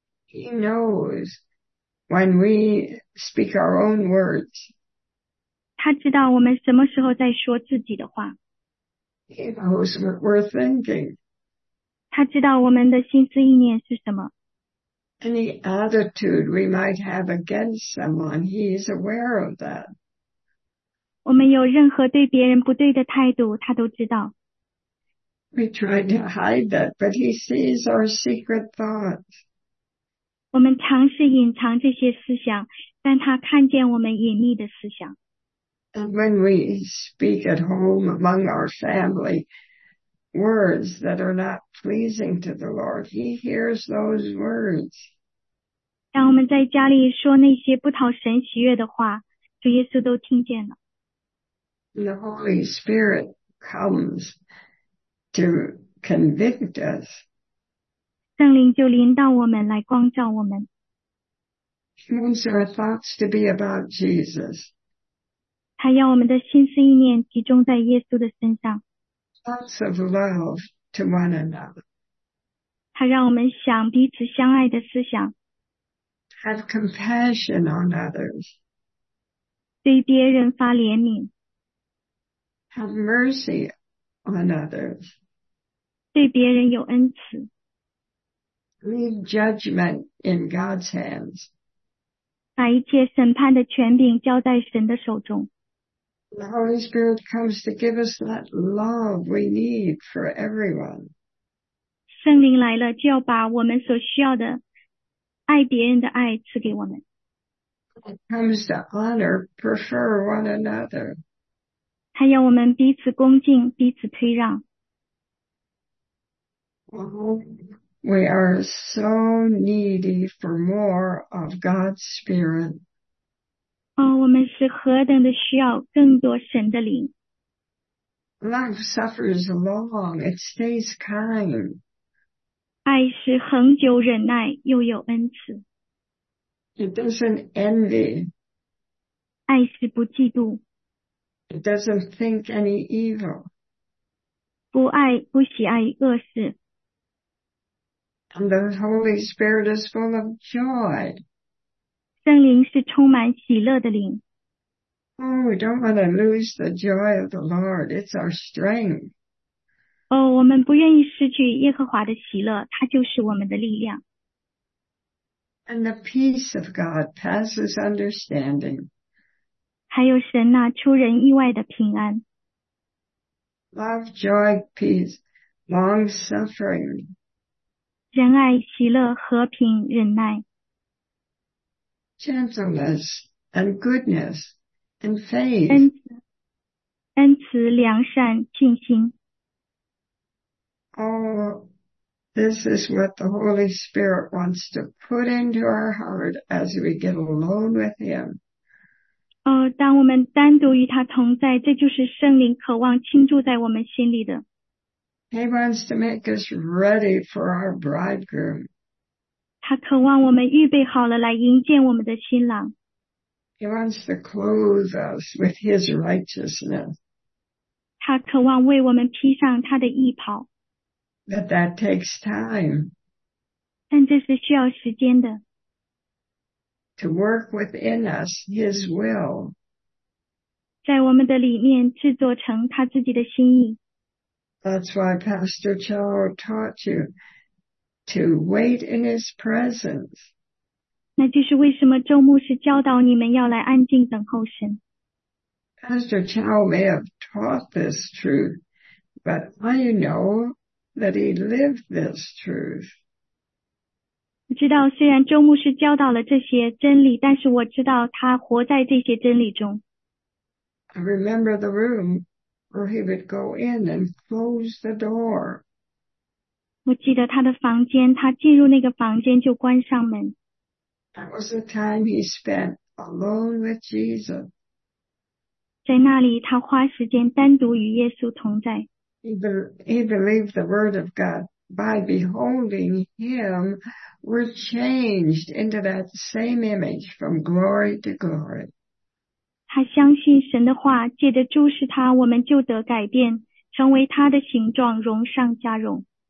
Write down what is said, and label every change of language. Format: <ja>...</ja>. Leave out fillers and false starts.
<en>He knows when we speak our own words.</en> <zh>他知道我们什么时候在说自己的话。</zh> <en>He knows what we're thinking.</en> <zh>他知道我们的心思意念是什么。</zh> <en>Any attitude we might have against someone, he is aware of that.</en> <zh>我们有任何对别人不对的态度，他都知道。</zh> <en>We try to hide that, but he sees our secret thoughts.</en> <zh>我们尝试隐藏这些思想，但他看见我们隐秘的思想。</zh> <en>And when we speak at home among our family, words that are not pleasing to the Lord, he hears those words.</en> <zh>当我们在家里说那些不讨神喜悦的话，主耶稣都听见了。</zh> <en>The Holy Spirit comes to convict us.</en> <zh>圣灵就临到我们来光照我们。</zh> <en>He wants our thoughts to be about Jesus.</en> <zh>他要我们的心思意念集中在耶稣的身上。</zh> <en>Thoughts of love to one another.</en> <zh>他让我们想彼此相爱的思想。</zh> <en>Have compassion on others.</en> <zh>对别人发怜悯。</zh> <en>Have mercy on others.</en> <zh>对别人有恩慈。</zh> <en>Leave judgment in God's hands.</en> <zh>把一切审判的权柄交在神的手中。</zh> <en>The Holy Spirit comes to give us that love we need for everyone.</en> <zh>圣灵来了，就要把我们所需要的爱别人的爱赐给我们。</zh> <en>It comes to honor, prefer one another.</en> <zh>还要我们彼此恭敬，彼此推让。</zh> <en>We are so needy for more of God's Spirit.</en> <zh>哦，我们是何等的需要更多神的灵。</zh> <en>Love suffers long, it stays kind.</en> <zh>爱是恒久忍耐，又有恩慈。</zh> <en>It doesn't envy.</en> <zh>爱是不嫉妒。</zh> <en>It doesn't think any evil.</en> <zh>不爱，不喜爱恶事。</zh> <en>And the Holy Spirit is full of joy.</en> <zh>圣灵是充满喜乐的灵。</zh> <en>Oh, we don't want to lose the joy of the Lord. It's our strength.</en> <zh>哦，我们不愿意失去耶和华的喜乐，它就是我们的力量。</zh> <en>And the peace of God passes understanding.</en> <zh>还有神那出人意外的平安。</zh> <en>Love, joy, peace, long suffering.</en> <zh>仁爱、喜乐、和平、忍耐。</zh> <en>Gentleness and goodness and faith.</en> <zh>恩慈、良善、信心。</zh> <en>All this is what the Holy Spirit wants to put into our heart as we get alone with Him.</en> <zh>哦，当我们单独与他同在，这就是圣灵渴望倾注在我们心里的。</zh> <en>He wants to make us ready for our bridegroom.</en> <zh>他渴望我们预备好了来迎接我们的新郎。</zh> <en>He wants to clothe us with His righteousness.</en> <zh>他渴望为我们披上他的义袍。</zh> <en>But that takes time.</en> <zh>但这是需要时间的。</zh> <en>To work within us His will.</en> <zh>在我们的里面制作成他自己的心意。</zh> <en>That's why Pastor Chow taught you to wait in His presence.</en> <zh>那就是为什么周牧师教导你们要来安静等候神。</zh> <en>Pastor Chow may have taught this truth, but I know that he lived this truth.</en> <zh>我知道，虽然周牧师教导了这些真理，但是我知道他活在这些真理中。</zh> <en>I remember the room. Or he would go in and close the door.</en> <zh>我记得他的房间，他进入那个房间就关上门。</zh> <en>That was the time he spent alone with Jesus.</en> <zh>在那里他花时间单独与耶稣同在。</zh> <en>He believed the word of God. By beholding him, we're changed into that same image from glory to glory.</en> <zh>他相信神的话，借着注视他，我们就得改变，成为他的形状，荣上加荣。</zh>